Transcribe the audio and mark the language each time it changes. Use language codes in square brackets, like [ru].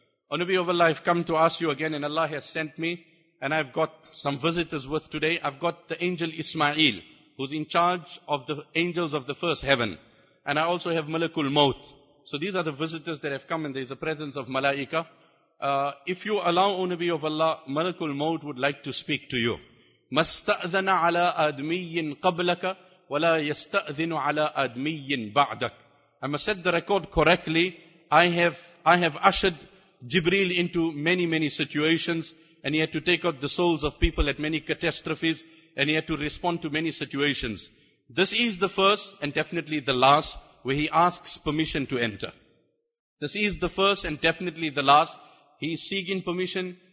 [en] O Nabi of Allah, I've come to ask you again, and Allah has sent me, and I've got some visitors with today. I've got the angel Ismail, who's in charge of the angels of the first heaven. And I also have Malakul Maut. So these are the visitors that have come, and there's a presence of Malaika. If you allow, O Nabi of Allah, Malakul Maut would like to speak to you. [ar] مَسْتَأْذَنَ عَلَىٰ أَدْمِيٍ قَبْلَكَ وَلَا يَسْتَأْذِنُ عَلَىٰ أَدْمِيٍ بَعْدَكَ. [en] I must set the record correctly. I have ushered Jibreel into many, many situations, and he had to take out the souls of people at many catastrophes, and he had to respond to many situations. This is the first, and definitely the last, where he asks permission to enter. This is the first, and definitely the last. He is seeking permission.